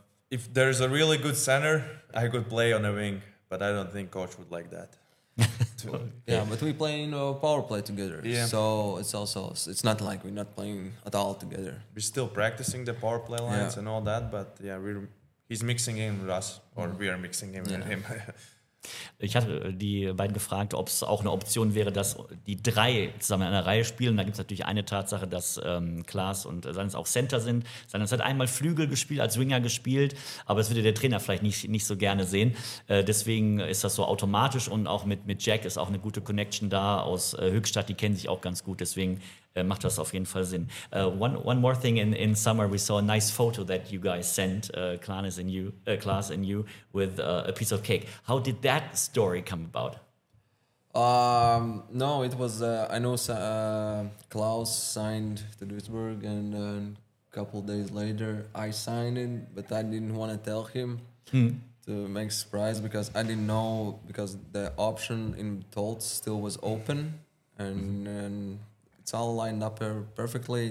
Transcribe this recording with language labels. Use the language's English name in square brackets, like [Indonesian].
[English] If there's a really good center, I could play on a wing, but I don't think coach would like that. Yeah, but we play in power play together. Yeah. So it's not like we're not playing at all together. We're still practicing the power play lines and all that, but yeah, he's mixing in with us, or we are mixing in with him. [German] Ich hatte die beiden gefragt, ob es auch eine Option wäre, dass die drei zusammen in einer Reihe spielen. Da gibt es natürlich eine Tatsache, dass Klaas und Sannes auch Center sind. Sannes hat einmal Flügel gespielt, als Winger gespielt, aber das würde der Trainer vielleicht nicht so gerne sehen. Deswegen ist das so automatisch und auch mit Jack ist auch eine gute Connection da aus Höchstadt. Die kennen sich auch ganz gut, deswegen macht das auf jeden Fall Sinn. [English] One more thing in summer, we saw a nice photo that you guys sent, Klaas and you, with a piece of cake. How did that story come about? No, it was, I know Klaus signed to Duisburg and a couple days later I signed it, but I didn't want to tell him to make a surprise because I didn't know, because the option in Tolt still was open and it's all lined up perfectly.